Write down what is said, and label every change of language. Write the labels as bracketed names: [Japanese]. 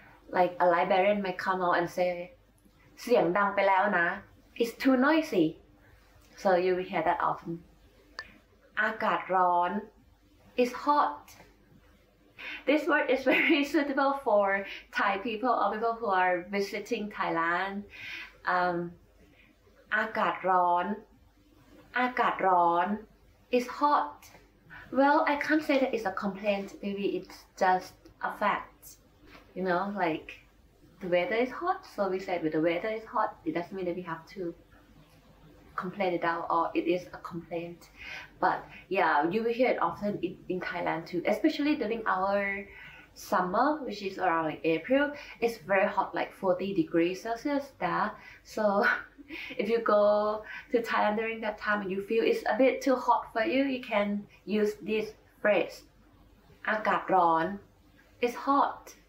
[English] Like a librarian might come out and say, [Thai] เสียงดังไปแล้วนะ [English] It's too noisy. So you will hear that often. [Thai] อากาศร้อน [English] It's hot. This word is very suitable for Thai people or people who are visiting Thailand. [Thai] อากาศร้อน อากาศร้อน [English] It's hot. Well, I can't say that it's a complaint. Maybe it's just a fact. You know, like the weather is hot. So we said when the weather is hot, it doesn't mean that we have to. Complain it out or it is a complaint but yeah you will hear it often in Thailand too especially during our summer which is around like April it's very hot like 40 degrees Celsius there so if you go to Thailand during that time and you feel it's a bit too hot for you you can use this phrase [Thai] อากาศร้อน [English] it's hot